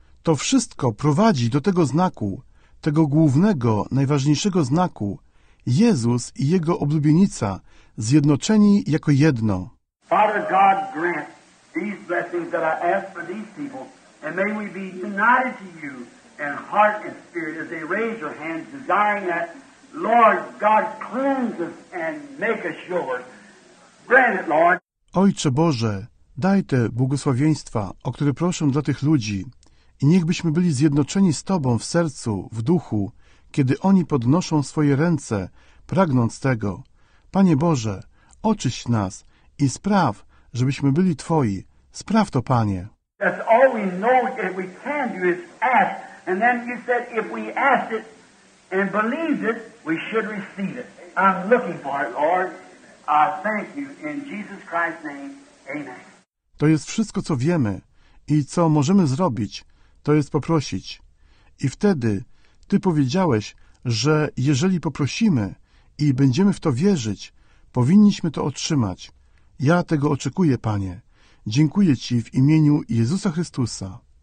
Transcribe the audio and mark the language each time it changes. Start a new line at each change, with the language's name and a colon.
Polish: To wszystko prowadzi do tego znaku, tego głównego, najważniejszego znaku. Jezus i Jego oblubienica, zjednoczeni jako jedno.
English: Father God, grant these blessings that I ask for these people, and may we be united to you in heart and spirit as they raise your hands, desiring that, Lord God, cleanse us and make us yours. Grant it, Lord.
Polish: Ojcze Boże, daj te błogosławieństwa, o które proszę dla tych ludzi, i niechbyśmy byli zjednoczeni z Tobą w sercu, w duchu, kiedy oni podnoszą swoje ręce, pragnąc tego. Panie Boże, oczyś nas i spraw, żebyśmy byli Twoi. Spraw to, Panie.
English: That's all we know that we can do is ask. And then you said if we ask it and believe it, we should receive it. I'm looking for it, Lord. I thank you in Jesus Christ's name. Amen.
Polish: To jest wszystko, co wiemy i co możemy zrobić, to jest poprosić. I wtedy Ty powiedziałeś, że jeżeli poprosimy i będziemy w to wierzyć, powinniśmy to otrzymać. Ja tego oczekuję, Panie. Dziękuję Ci w imieniu Jezusa Chrystusa.